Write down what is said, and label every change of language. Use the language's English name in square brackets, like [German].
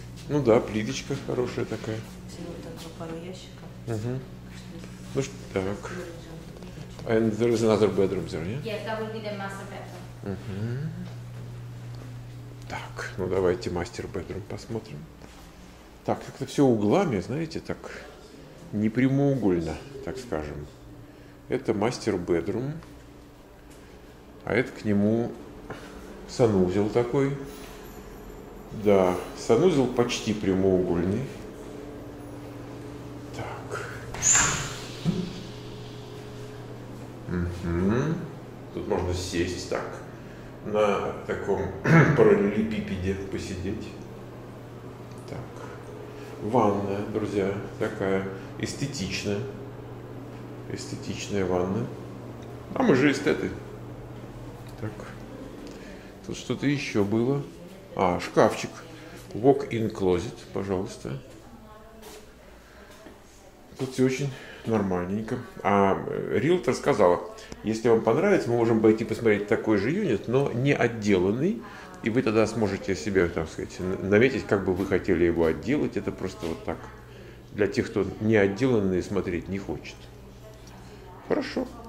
[Russian] Ну да, плиточка хорошая такая. Пару ящиков. Ну так. [English] And there is another bedroom there, yeah? Yes, that would be the master bedroom. [Russian] Так, ну давайте мастер bedroom посмотрим. Так, как-то все углами, знаете, так не прямоугольно, так скажем. Это мастер bedroom. А это к нему санузел такой. Да, санузел почти прямоугольный. Так. Тут можно сесть так, на таком параллелепипеде посидеть. Так. Ванная, друзья, такая эстетичная. Эстетичная ванна. А мы же эстеты. Так, тут что-то еще было. А, шкафчик. [English] Walk-in closet, [Russian] пожалуйста. Тут все очень нормальненько. А риэлтор сказала, если вам понравится, мы можем пойти посмотреть такой же юнит, но не отделанный. И вы тогда сможете себе, так сказать, наметить, как бы вы хотели его отделать. Это просто вот так. Для тех, кто не отделанный, смотреть не хочет. Хорошо.